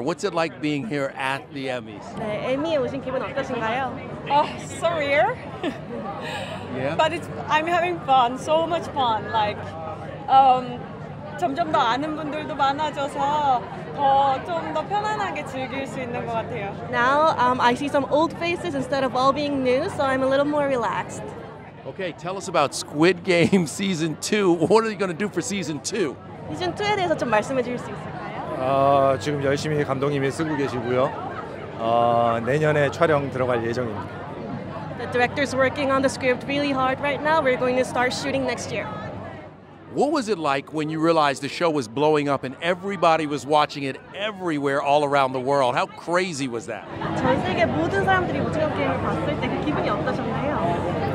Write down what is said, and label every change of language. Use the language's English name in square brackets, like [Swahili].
[English] What's it like being here at the Emmys? [Korean] 네, 에미에 오신 기분 어떠신가요? [English] Oh, surreal. Yeah. But I'm having fun. So much fun. [Korean] Like, 점점 더 아는 분들도 많아져서 더 좀 더 편안하게 즐길 수 있는 것 같아요. [English] Now, I see some old faces instead of all being new, so I'm a little more relaxed. Okay, tell us about Squid Game Season 2. What are you going to do for Season 2? [Korean] 시즌 2에 대해서 좀 말씀해 주실 수 있을까요? 지금 열심히 감독님이 쓰고 계시고요. 내년에 촬영 들어갈 예정입니다. [English] The director's working on the script really hard right now. We're going to start shooting next year. What was it like when you realized the show was blowing up and everybody was watching it everywhere all around the world? How crazy was that? [Korean] 전 세계 모든 사람들이 오징어 게임을 봤을 때 그 기분이 어떠셨나요?